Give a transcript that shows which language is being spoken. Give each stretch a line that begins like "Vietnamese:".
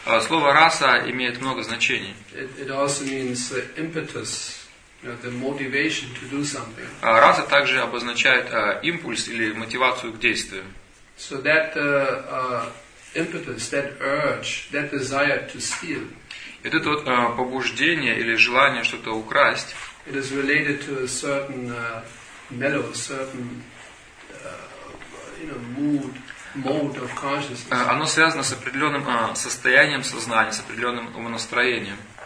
Russian: Слово раса имеет много значений.
English: It also means impetus, you know, the motivation to do something.
Russian: Раса также обозначает импульс или мотивацию к действию.
English: So that impetus, that urge, that desire to steal.
Russian: Это вот побуждение или желание что-то украсть.
English: It is related to a certain mellow, certain mood. Mode of consciousness.
Russian: Оно связано с определенным состоянием сознания, с определенным умонастроением.